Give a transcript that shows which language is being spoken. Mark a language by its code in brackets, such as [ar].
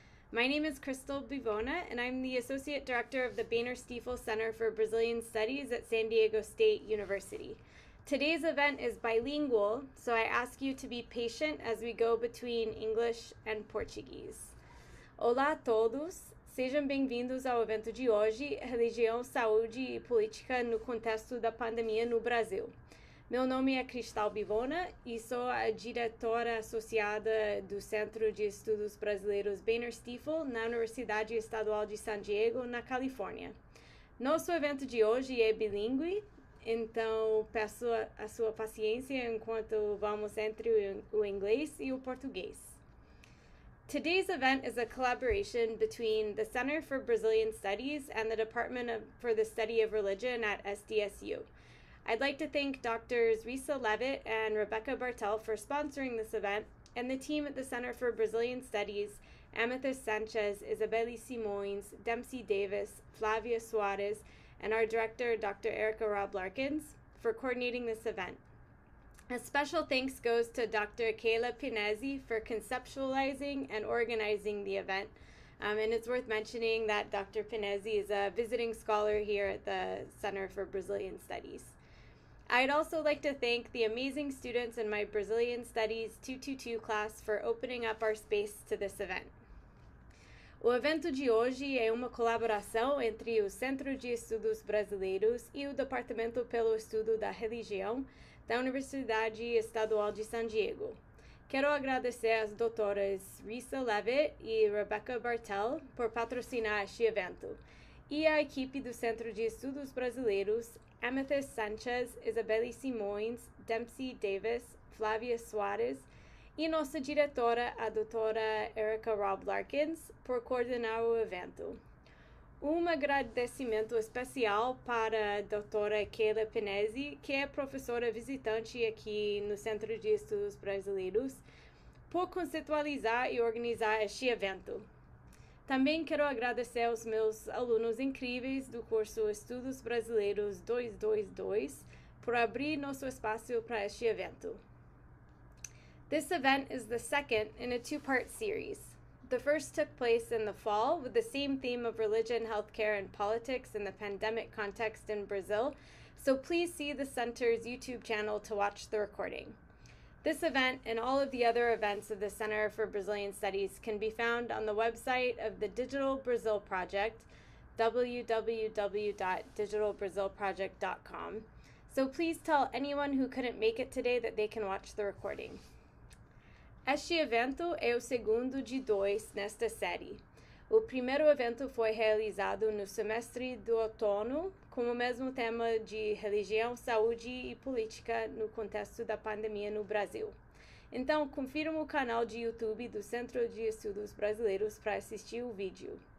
[en] My name is Crystal Bivona, and I'm the Associate Director of the Boehner Stiefel Center for Brazilian Studies at San Diego State University. Today's event is bilingual, so I ask you to be patient as we go between English and Portuguese. [pt] Olá a todos. Sejam bem-vindos ao evento de hoje, Religião, Saúde e Política no Contexto da Pandemia no Brasil. Meu nome é Cristal Bivona e sou a diretora associada do Centro de Estudos Brasileiros Boehner Stiefel na Universidade Estadual de San Diego, na Califórnia. Nosso evento de hoje é bilíngue, então peço a sua paciência enquanto vamos entre o inglês e o português. [en] Today's event is a collaboration between the Center for Brazilian Studies and the Department for the Study of Religion at SDSU. I'd like to thank Drs. Risa Levitt and Rebecca Bartel for sponsoring this event, and the team at the Center for Brazilian Studies, Amethyst Sanchez, Isabelle Simões, Dempsey Davis, Flavia Soares, and our director, Dr. Erica Robb Larkins, for coordinating this event. A special thanks goes to Dr. Kayla Pinezzi for conceptualizing and organizing the event. And it's worth mentioning that Dr. Pinezzi is a visiting scholar here at the Center for Brazilian Studies. I'd also like to thank the amazing students in my Brazilian Studies 222 class for opening up our space to this event. [pt] O evento de hoje é uma colaboração entre o Centro de Estudos Brasileiros e o Departamento pelo Estudo da Religião da Universidade Estadual de San Diego. Quero agradecer às doutoras Risa Levitt e Rebecca Bartel por patrocinar este evento, e à equipe do Centro de Estudos Brasileiros, Amethyst Sanchez, Isabelle Simões, Dempsey Davis, Flavia Soares, e nossa diretora, a doutora Erica Robb Larkins, por coordenar o evento. Um agradecimento especial para a doutora Kayla Pinezzi, que é professora visitante aqui no Centro de Estudos Brasileiros, por conceptualizar e organizar este evento. Também quero agradecer aos meus alunos incríveis do curso Estudos Brasileiros 222 por abrir nosso espaço para este evento. [en] This event is the second in a two-part series. The first took place in the fall with the same theme of religion, healthcare, and politics in the pandemic context in Brazil, so please see the Center's YouTube channel to watch the recording. This event and all of the other events of the Center for Brazilian Studies can be found on the website of the Digital Brazil Project, www.digitalbrazilproject.com. So please tell anyone who couldn't make it today that they can watch the recording. [pt] Este evento é o segundo de dois nesta série. O primeiro evento foi realizado no semestre do outono, com o mesmo tema de religião, saúde e política no contexto da pandemia no Brasil. Então, confira o canal de YouTube do Centro de Estudos Brasileiros para assistir o vídeo.